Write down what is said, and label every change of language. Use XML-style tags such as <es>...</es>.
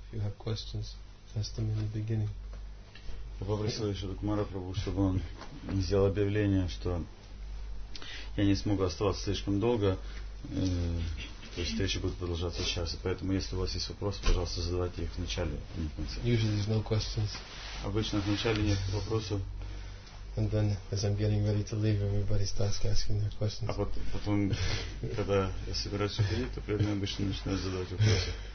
<en>If you have questions, ask them in the beginning.</en> <ru>Я попросил Шота Кумара, чтобы он сделал объявление, что я не смогу оставаться слишком долго, то есть встречи будут продолжаться сейчас. Поэтому, если у вас есть вопросы, пожалуйста, задавайте их в начале, а не в конце.</ru> <en>Usually there's no questions.</en> <ru>Обычно в начале нет вопросов.</ru> <en>And then, as I'm getting ready to leave, everybody starts asking their questions.</en> <ru>А потом, когда я собираюсь уходить, то преданные обычно начинают задавать вопросы.</ru>